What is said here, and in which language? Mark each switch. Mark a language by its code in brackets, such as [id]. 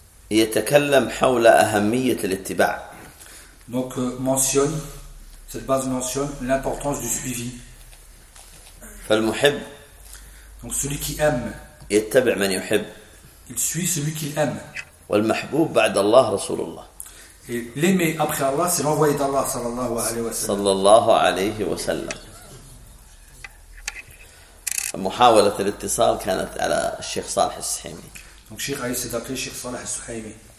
[ar] يتكلم حول أهمية الاتباع. [fr] Donc mentionne cette base mentionne l'importance du suivi. [ar] فالمحب. [fr] Donc celui qui aime. [ar] يتبع من يحب. [fr] Il suit celui qu'il aime. [ar] والمحبوب بعد الله رسول الله. [fr] Et l'aimé après Allah c'est l'envoyé d'Allah [ar] صلى الله عليه وسلم. صلى الله عليه وسلم. محاولة الاتصال كانت على الشيخ صالح السحيمي. [fr] Donc Cheikh Ali s'est appelé Cheikh Salah Al-Suhaimi.